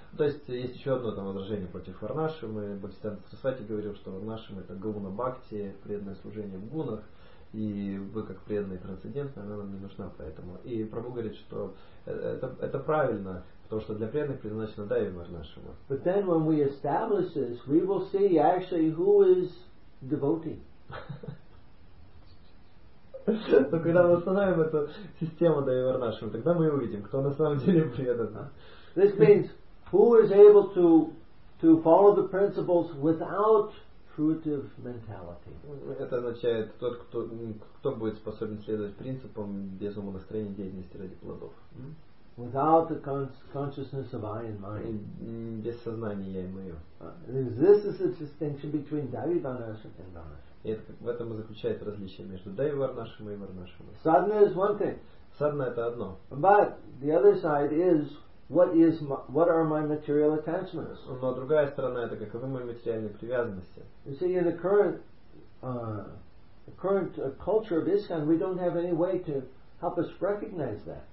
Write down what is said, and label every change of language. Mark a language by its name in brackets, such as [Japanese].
[Russian] То есть есть еще одно там возражение против Варнашрамы. Бхактисиддханта Сарасвати говорил, что Варнашрама это гуна бхакти, преданное служение в гунах, и вы как преданные трансцендентные, она нам не нужна поэтому. И Прабху говорит, что это правильно, потому что для преданных предназначена дайви Варнашрама. [English] But then when we establish this, we will see actually who is devotee. [Russian] Но когда мы установим эту систему Дайви Варнашрама, тогда мы увидим, кто на самом деле предан. [English] This means who is able to follow the principles without fruitive mentality. [Russian] Это означает тот, кто будет способен следовать принципам без умонастроения деятельности ради плодов. [English] Without the consciousness of I and mine. [Russian] Без сознания я и мое. [English] This is the distinction between Дайви Варнашрама and Варнашрама. [Russian] И в этом и заключается различие между Дайви Варнашрама и Варнашрама. [English] Садна is one thing. [Russian] Садна это одно. [English] But the other side is what are my material attachments? [Russian] Но другая сторона это каковы мои материальные привязанности. [English] You see, in the current culture of ISKCON, we don't have any way to help us recognize that.